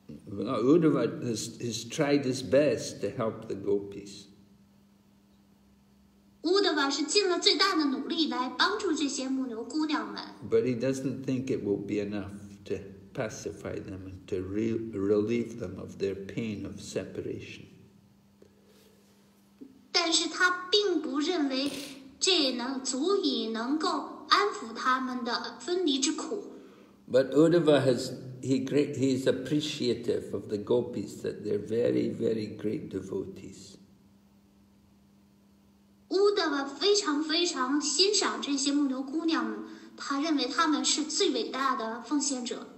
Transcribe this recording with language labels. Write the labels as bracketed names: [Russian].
[English] Well, Uddhava has tried his best to help the gopis. [Chinese] Uddhava 是尽了最大的努力来帮助这些牧牛姑娘们。 [English] But he doesn't think it will be enough to pacify them and to relieve them of their pain of separation. [Chinese] 但是他并不认为这能足以能够安抚他们的分离之苦。 [English] But Uddhava is appreciative of the gopis that they're very, very great devotees. [Chinese] Uddhava 非常非常欣赏这些牧牛姑娘，他认为她们是最伟大的奉献者。